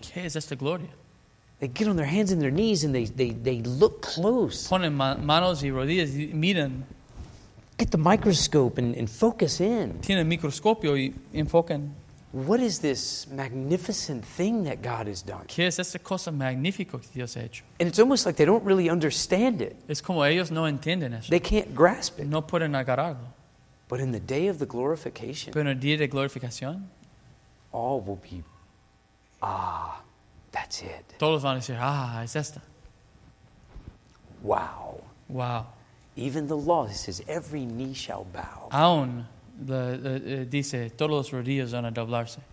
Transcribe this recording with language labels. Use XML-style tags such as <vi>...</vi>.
<es>¿Qué es esta gloria?</es> <en>They get on their hands and their knees and they look close.</en> <es>Ponen manos y rodillas y miran.</es> <en>Get the microscope and focus in.</en> <es>Tienen microscopio y enfocan.</es> <en>what is this magnificent thing that God has done?</en> <es>¿Qué es esta cosa magnífica que Dios ha hecho?</es> <en>And it's almost like they don't really understand it.</en> <es>Es como ellos no entienden eso.</es> <en>They can't grasp it.</en> <es>No pueden agarrarlo.</es> <en>But in the day of the glorification,</en> <es>pero en el día de glorificación,</es> <en>all will be, ah, that's it.</en> <es>Todos van a decir, ah, es esta. Wow. Wow.</es> <en>Even the law, it says, every knee shall bow.</en> <es>Aún dice, todos los rodillos van a doblarse.</es>